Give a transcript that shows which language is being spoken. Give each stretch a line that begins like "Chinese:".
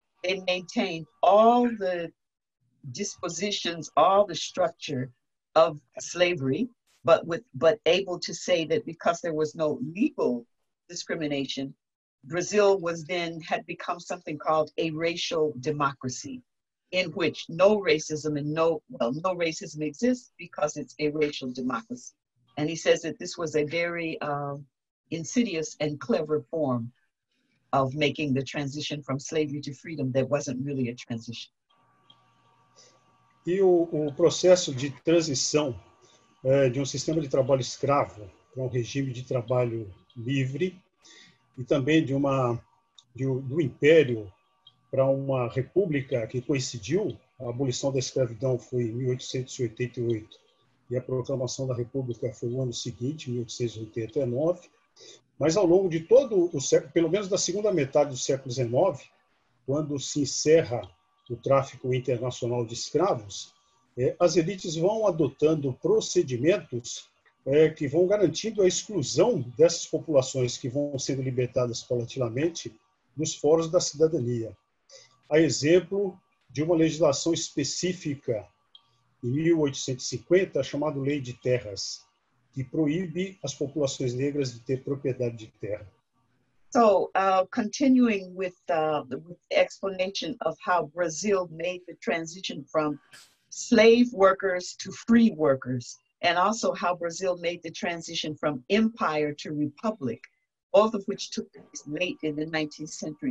English: They maintained all the dispositions, all the structure of slavery, but able to say that because there was no legal discrimination, Brazil was then had become something called a racial democracy, in which no racism exists because it's a racial democracy. And he says that this was a very insidious and clever form of making the transition from slavery to freedom that wasn't really a transition.
Portuguese: E o processo de transição de um sistema de trabalho escravo para um regime de trabalho livre e também de uma do império para uma república que coincidiu, a abolição da escravidão foi em 1888 e a proclamação da república foi no ano seguinte, 1889, mas ao longo de todo o século, pelo menos da segunda metade do século XIX, quando se encerra o tráfico internacional de escravos, as elites vão adotando procedimentos que vão garantindo a exclusão dessas populações que vão sendo libertadas paulatinamente dos fóruns da cidadania. A exemplo de uma legislação específica em 1850, chamada Lei de Terras, que proíbe as populações negras de ter propriedade de terra.
English: So, continuing with the explanation of how Brazil made the transition from slave workers to free workers, and also how Brazil made the transition from empire to republic, both of which took place late in the 19th century.